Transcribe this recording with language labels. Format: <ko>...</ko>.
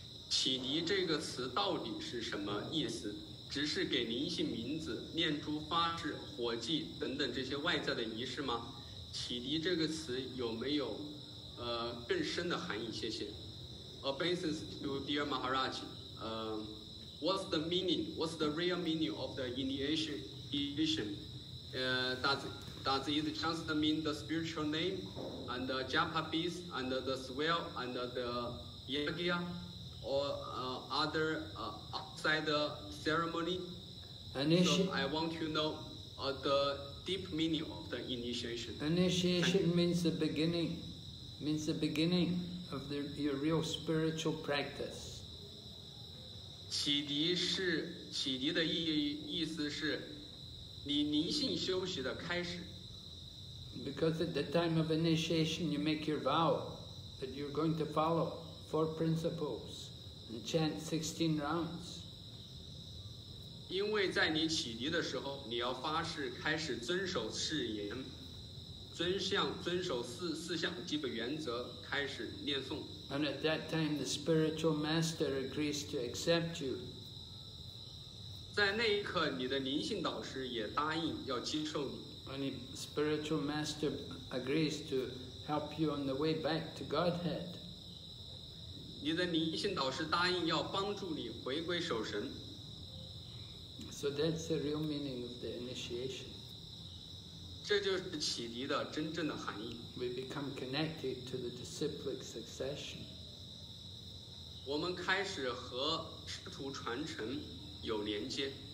<zh>启迪这个词到底是什么意思？只是给灵性名字、念珠、发誓、火祭等等这些外在的仪式吗？启迪这个词有没有更深的含义？谢谢。</zh> <en>Obeisance to dear Maharaj, what's the meaning, what's the real meaning of the initiation? Does it just mean the spiritual name and the japa beads and the swell and the yagya or other outside the ceremony? So I want to know the deep meaning of the initiation. Initiation means the beginning, of your real spiritual practice.</en> <zh>启迪是启迪的意思是你灵性修习的开始。</zh> <en>Because at the time of initiation, you make your vow that you're going to follow four principles and chant 16 rounds.</en> <zh>因为在你启迪的时候，你要发誓开始遵守誓言。遵守四项基本原则，开始念诵。</zh> <en>And at that time, the spiritual master agrees to accept you.</en> <zh>在那一刻，你的灵性导师也答应要接受你。</zh> <en>And the spiritual master agrees to help you on the way back to Godhead.</en> <zh>你的灵性导师答应要帮助你回归守神。</zh> <en>So that's the real meaning of the initiation.</en> <zh>这就是启迪的真正的含义。</zh> <en>We become connected to the disciplic succession.</en> <zh>我们开始和师徒传承有连接。</zh>